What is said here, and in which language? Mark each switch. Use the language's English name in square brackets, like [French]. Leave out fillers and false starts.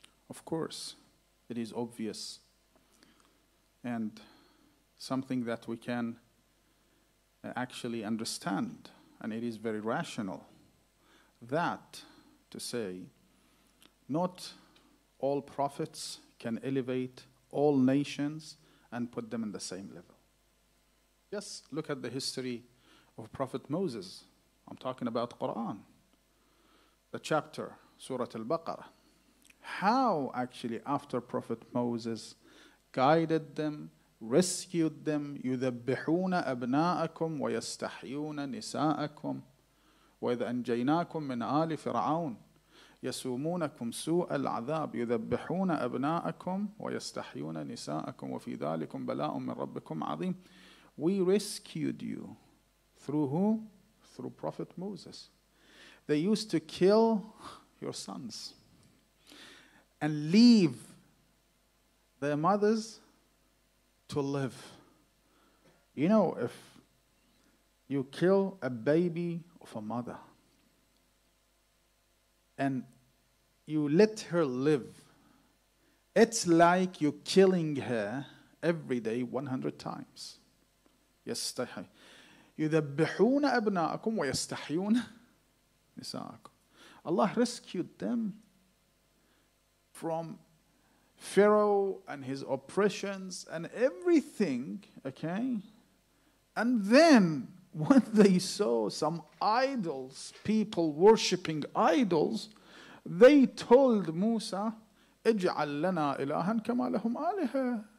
[English] Of course, it is obvious and something that we can actually understand, and it is very rational, that to say, not all prophets can elevate all nations and put them in the same level. Just look at the history of Prophet Moses. I'm talking about Quran, the chapter, Surah Al-Baqarah. How actually after Prophet Moses guided them, rescued them, [Arabic] يُذَبِّحُونَ أَبْنَاءَكُمْ وَيَسْتَحْيُونَ نِسَاءَكُمْ وَإِذْ أَنْجَيْنَاكُمْ مِنْ آلِ فِرْعَوْنَ يَسُومُونَكُمْ سُوءَ الْعَذَابِ يُذَبِّحُونَ أَبْنَاءَكُمْ وَيَسْتَحْيُونَ نِسَاءَكُمْ وَفِي ذَلِكُمْ بَلَاءٌ مِنْ رَبِّكُمْ عَظِيمٌ [English] We rescued you. Through who? Through Prophet Moses. They used to kill your sons and leave their mothers to live. You know, if you kill a baby of a mother and you let her live, it's like you're killing her every day 100 times. [Arabic] يستحي يذبحون أبناءكم ويستحيون نساءكم. [English] Allah rescued them from Pharaoh and his oppressions and everything, okay? And then when they saw some idols, people worshipping idols, they told Musa, [Arabic] اجعل لنا إلها كما لهم آلهة.